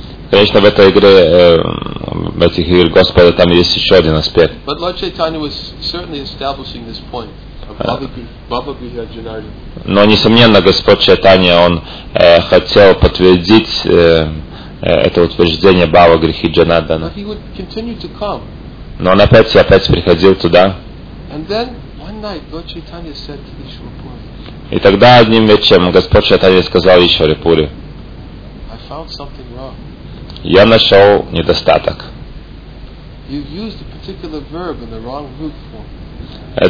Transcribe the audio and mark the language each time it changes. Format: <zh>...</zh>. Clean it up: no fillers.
<ru>Конечно, в этой игре, в этих играх Господа, там есть еще один аспект.</ru> <en>But Lord Chaitanya was certainly establishing this point of Baba Griha Janardana.</en> <ru>Но, несомненно, Господь Чайтанья, он хотел подтвердить это утверждение Баба Грихи Джанардана.</ru> <en>But he would continue to come.</en> <ru>Но он опять и опять приходил туда.</ru> <en>And then, one night, Lord Chaitanya said to Ishwarapuri.</en> <ru>И тогда, одним вечером, Господь Чайтанья сказал Ишварапуре.</ru> <en>I found something wrong.</en> <ru>Я нашел недостаток.</ru> <en>You've used a particular verb in the wrong root form.</en>